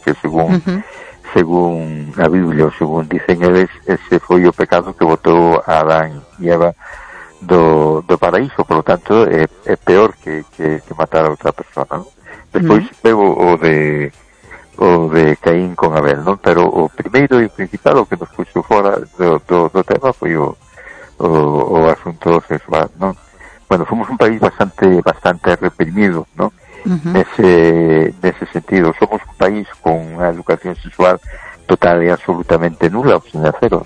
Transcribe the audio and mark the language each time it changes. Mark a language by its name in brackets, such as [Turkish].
[Spanish] Que según la Biblia, según dicen ellos, ese fue el pecado que votó a Adán y Eva do paraíso. Por lo tanto, es peor que matar a otra persona, ¿no? Después veo o de Caín con Abel, ¿no? [Galician] Pero o primeiro e o principal o que nos puxo fora do tema foi o asunto sexual, ¿no? Bueno, fomos un país bastante reprimido, ¿no? Nese sentido. Somos un país con unha educación sexual total e absolutamente nula, ou sin cero.